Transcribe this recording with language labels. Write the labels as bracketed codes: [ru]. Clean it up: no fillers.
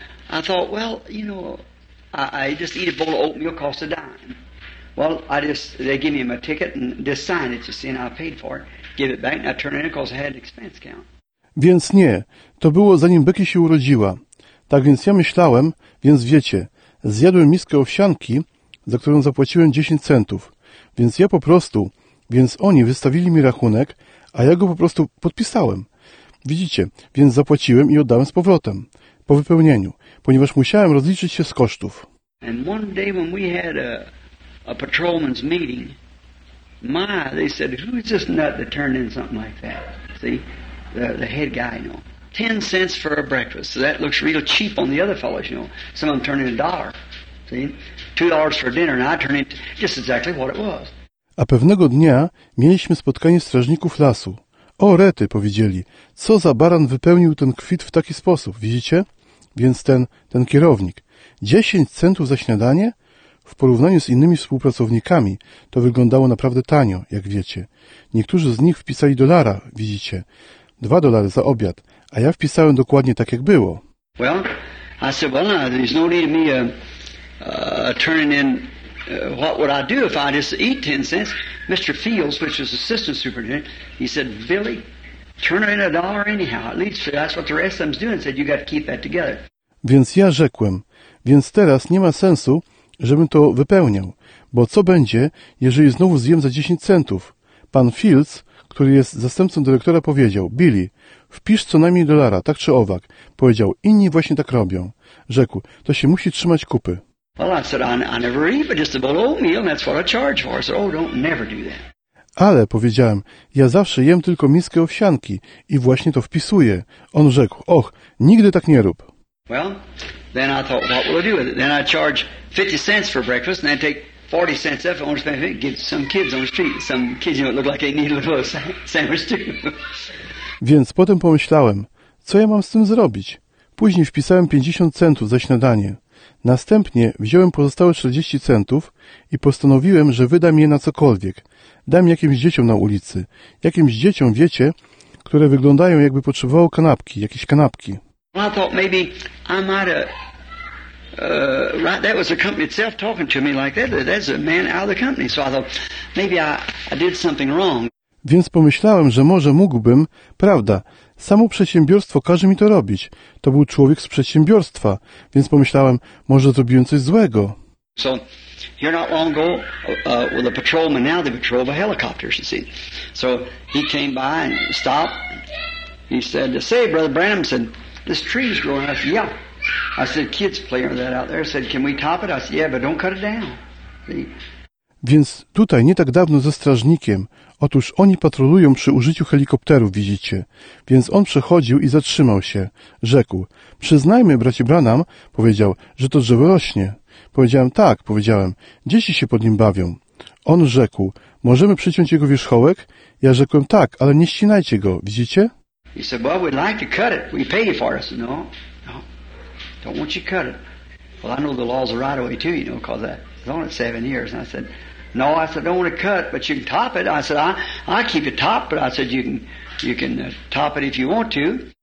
[en] I thought, well, you know, I just eat a bowl of oatmeal, cost a dime. Well, they give me my ticket and just sign it, you see, and I paid for it. Give it back and I turn it in because I had an expense account. [pl] Więc nie, to było zanim Becky się urodziła. Tak więc ja myślałem, więc wiecie, zjadłem miskę owsianki, za którą zapłaciłem 10 centów. Więc ja po prostu, więc oni wystawili mi rachunek, a ja go po prostu podpisałem. Widzicie, więc zapłaciłem i oddałem z powrotem. Po wypełnieniu, ponieważ musiałem rozliczyć się z kosztów. [en] And one day when we had a patrolman's meeting, my, they said, who's this nut that turned in something like that? See, the head guy, you know. 10 cents for a breakfast. So that looks real cheap on the other fellows, you know. Some of them turn in $1. See, $2 for dinner, and I turn in just exactly what it was. [pl] A pewnego dnia mieliśmy spotkanie strażników lasu. O, Rety, powiedzieli, co za baran wypełnił ten kwit w taki sposób, widzicie? Więc ten kierownik. 10 centów za śniadanie? W porównaniu z innymi współpracownikami to wyglądało naprawdę tanio, jak wiecie. Niektórzy z nich wpisali dolara, widzicie. $2 za obiad, a ja wpisałem dokładnie tak, jak było. [en] Well, I said, well, no, there's no need me turning in what would I do if I just eat 10 cents? Mr. Fields, which is assistant superintendent, he said, Billy, turn in a dollar anyhow. At least that's what the rest of them's doing. Said you got to keep that together. [pl] Więc ja rzekłem, więc teraz nie ma sensu, żebym to wypełniał, bo co będzie, jeżeli znowu zjem za 10 centów? Pan Fields, który jest zastępcą dyrektora, powiedział, Billy, wpisz co najmniej dolara, tak czy owak. Powiedział, inni właśnie tak robią. Rzekł, to się musi trzymać kupy. [en] Well, I said, I never eat, but just a bowl of oatmeal, and that's what I charge for. I said, oh, don't never do that. [pl] Ale, powiedziałem, ja zawsze jem tylko miskę owsianki i właśnie to wpisuję. On rzekł, och, nigdy tak nie rób. [en] Well, then I thought, what will I do with it? Then I charge 50 cents for breakfast, and then take 40 cents off and give some kids on the street. Some kids, you know, look like they need a little sandwich too. [pl] Więc potem pomyślałem, co ja mam z tym zrobić? Później wpisałem 50 centów za śniadanie. Następnie wziąłem pozostałe 40 centów i postanowiłem, że wydam je na cokolwiek. Dam jakimś dzieciom na ulicy. Jakimś dzieciom, wiecie, które wyglądają jakby potrzebowało kanapki, jakieś kanapki. [en] Well, I thought maybe I might right, that was the company itself talking to me like that. That's a man out of the company. So I thought maybe I did something wrong. [pl] Więc pomyślałem, że może mógłbym, prawda, samo przedsiębiorstwo każe mi to robić. To był człowiek z przedsiębiorstwa, więc pomyślałem, może zrobiłem coś złego. [en] So, here not long ago, with a patrolman, now they patrol the helicopters, you see. So, he came by and stopped. He said, say, Brother Branham, said, this tree is growing. I said, yeah. I said, kids playing with that out there. I said, can we top it? I said, yeah, but don't cut it down. See? [pl] Więc tutaj, nie tak dawno ze strażnikiem, otóż oni patrolują przy użyciu helikopterów, widzicie. Więc on przechodził i zatrzymał się. Rzekł, przyznajmy, bracie Branham, powiedział, że to drzewo rośnie. Powiedziałem, tak, powiedziałem, dzieci się pod nim bawią. On rzekł, możemy przyciąć jego wierzchołek? Ja rzekłem, tak, ale nie ścinajcie go, widzicie? [en] He said, well, we'd like to cut it. We pay you for it. I said, no, no, don't want you to cut it. Well, I know the laws are right away too, you know, because it's only 7 years. And I said, no, I said, I don't want to cut, but you can top it. I said, I keep it top, but I said, you can top it if you want to.